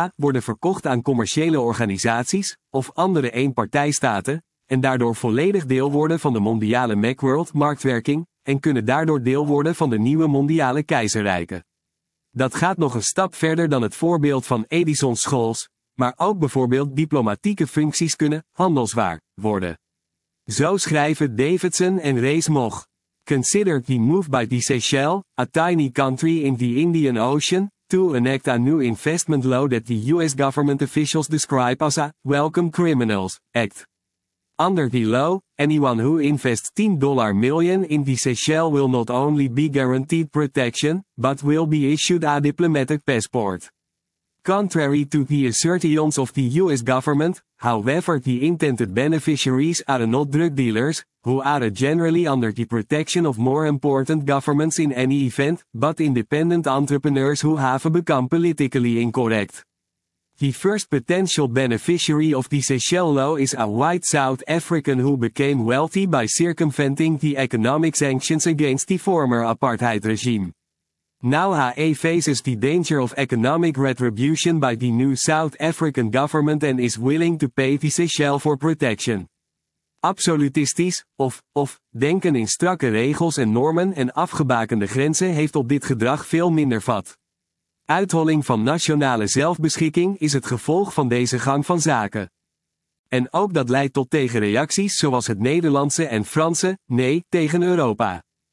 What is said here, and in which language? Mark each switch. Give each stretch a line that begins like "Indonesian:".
Dutch: worden verkocht aan commerciële organisaties of andere eenpartijstaten en daardoor volledig deel worden van de mondiale Macworld marktwerking, en kunnen daardoor deel worden van de nieuwe mondiale keizerrijken. Dat gaat nog een stap verder dan het voorbeeld van Edison Scholes, maar ook bijvoorbeeld diplomatieke functies kunnen handelswaar worden. Zo schrijven Davidson en Reis Mogh.
English: Consider the move by the Seychelles, a tiny country in the Indian Ocean, to enact a new investment law that the US government officials describe as a Welcome Criminals Act. Under the law, anyone who invests $10 million in the Seychelles will not only be guaranteed protection, but will be issued a diplomatic passport. Contrary to the assertions of the US government, however, the intended beneficiaries are not drug dealers, who are generally under the protection of more important governments in any event, but independent entrepreneurs who have become politically incorrect. The first potential beneficiary of the Seychelles law is a white South African who became wealthy by circumventing the economic sanctions against the former apartheid regime. Now he faces the danger of economic retribution by the new South African government and is willing to pay the Seychelles for protection.
Dutch: Absolutistisch, of, denken in strakke regels en normen en afgebakende grenzen heeft op dit gedrag veel minder vat. Uitholling van nationale zelfbeschikking is het gevolg van deze gang van zaken. En ook dat leidt tot tegenreacties zoals het Nederlandse en Franse nee tegen Europa.